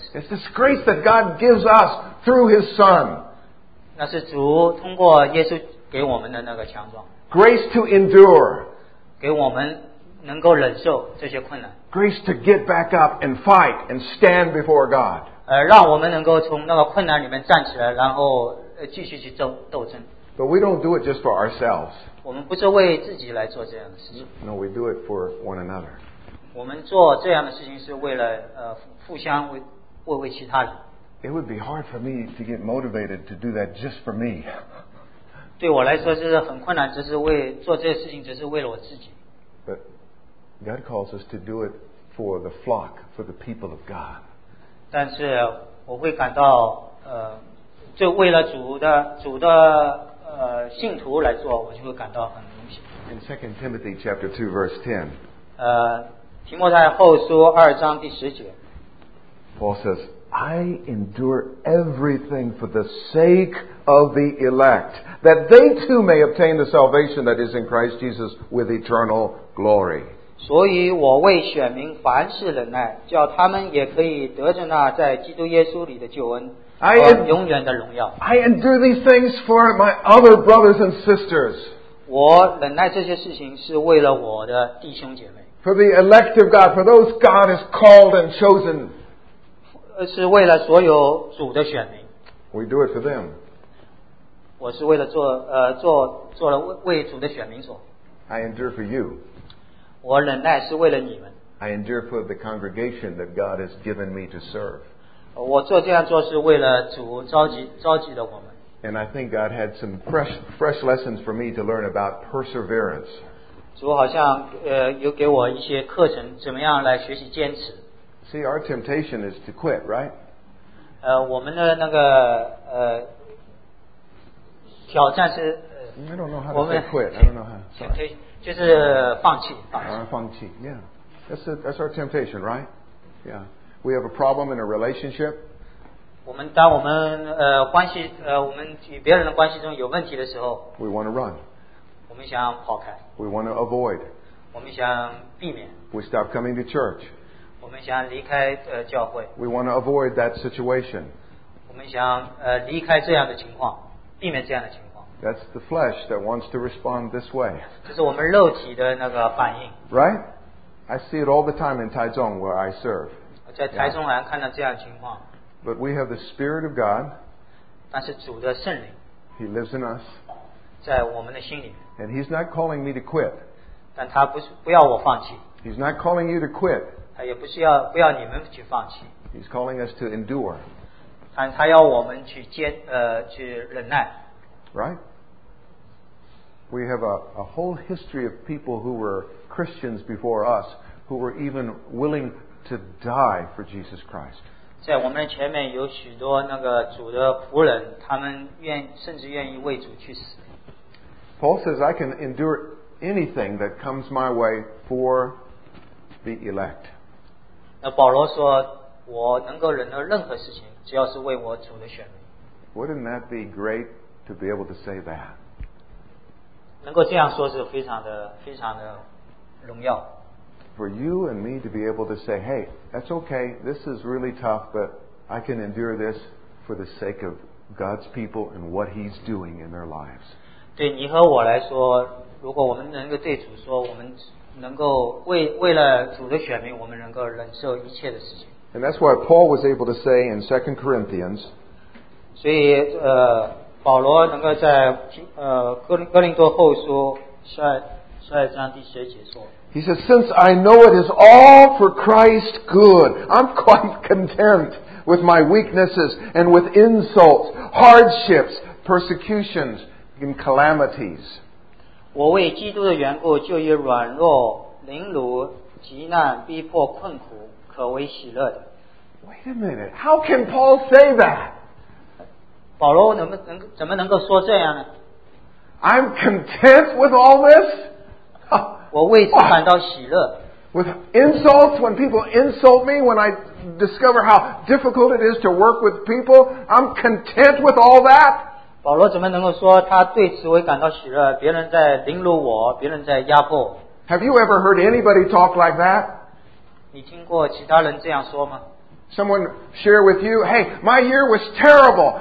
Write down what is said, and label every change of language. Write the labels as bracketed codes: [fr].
[en] Yeah. It's this grace that God gives us through His Son. [zh] 那是主通过耶稣给我们的那个强壮。 [en] Grace to endure. [zh] 给我们能够忍受这些困难。 [en] Grace to get back up and fight and stand before God. [zh] 让我们能够从那个困难里面站起来，然后继续去斗争。 [en] But we don't do it just for ourselves. [zh] 我们不是为自己来做这样的事情。 [en] No, we do it for one another. [zh] 我们做这样的事情是为了互相为其他人。 [en] It would be hard for me to get motivated to do that just for me. [zh] 对我来说是很困难，只是为做这些事情，只是为了我自己。 [en] But. God calls us to do it for the flock, for the people of God. [zh] 但是我会感到就为了主的信徒来做，我就会感到很荣幸。 [en] In 2 Timothy chapter 2 verse 10. [zh] 提摩太后书二章第十节。 [en] Paul says, I endure everything for the sake of the elect, that they too may obtain the salvation that is in Christ Jesus with eternal glory. [zh] 所以我为选民凡事忍耐，叫他们也可以得着那在基督耶稣里的救恩和永远的荣耀。 [en] I endure these things for my other brothers and sisters. [zh] 我忍耐这些事情是为了我的弟兄姐妹。 [en] For the elect of God, for those God has called and chosen. [zh] 是为了所有主的选民。 [en] We do it for them. [zh] 我是为了做了为主的选民做。 [en] I endure for you. [zh] 我忍耐是为了你们。 [en] I endure for the congregation that God has given me to serve. [zh] 我做这样做是为了主召集的我们。 [en] And I think God had some fresh lessons for me to learn about perseverance. [zh] 主好像有给我一些课程，怎么样来学习坚持。 [en] See, our temptation is to quit, right? [zh] 我们的那个挑战是。 [en] I don't know how to say quit. I don't know how. Sorry. [zh] 就是放弃。放弃 [en] ，Yeah, that's our temptation, right? Yeah, we have a problem in a relationship. [zh] 我们当我们关系我们与别人的关系中有问题的时候 [en] ，We want to run. [zh] 我们想跑开。 [en] We want to avoid. [zh] 我们想避免。 [en] We stop coming to church. [zh] 我们想离开教会。 [en] We want to avoid that situation. [zh] 我们想离开这样的情况，避免这样的情况。 [en] That's the flesh that wants to respond this way. [zh] 这是我们肉体的那个反应。 [en] Right? I see it all the time in Taizong where I serve. [zh] 在台中好像看到这样的情况。 [en] But we have the Spirit of God. [zh] 但是主的圣灵。 [en] He lives in us. [zh] 在我们的心里。 [en] And He's not calling me to quit. [zh] 但他不要我放弃。 [en] He's not calling you to quit. [zh] 他也不是要不要你们去放弃。 [en] He's calling us to endure. [zh] 但他要我们去去忍耐。 [en] Right? We have a whole history of people who were Christians before us who were even willing to die for Jesus Christ. [zh] 在我们的前面有许多那个主的仆人，他们甚至愿意为主去死。 [en] Paul says, I can endure anything that comes my way for the elect. [zh] 那保罗说，我能够忍耐任何事情，只要是为我主的选民。 [en] Wouldn't that be great to be able to say that? [zh] 能够这样说是非常的荣耀。 [en] For you and me to be able to say, hey, that's okay, this is really tough, but I can endure this for the sake of God's people and what He's doing in their lives. [zh] 对你和我来说，如果我们能够对主说，我们能够为了主的选民，我们能够忍受一切的事情。 [en] And that's why Paul was able to say in 2 Corinthians, [zh] 所以保罗能够在哥林多后书下一章第十节说。 [en] He says, since I know it is all for Christ's good, I'm quite content with my weaknesses and with insults, hardships, persecutions, and calamities. [zh] 我为基督的缘故，就以软弱、凌辱、急难、逼迫、困苦，可为喜乐的。 [en] Wait a minute, how can Paul say that? [zh] 保罗怎么能够说这样呢？ [en] I'm content with all this? [zh] 我为此感到喜乐。 [en] With insults, when people insult me, when I discover how difficult it is to work with people, I'm content with all that. [zh] 保罗怎么能够说他对此为感到喜乐？别人在凌辱我，别人在压迫。 [en] Have you ever heard anybody talk like that? [zh] 你听过其他人这样说吗？ [en] Someone share with you, hey, my year was terrible.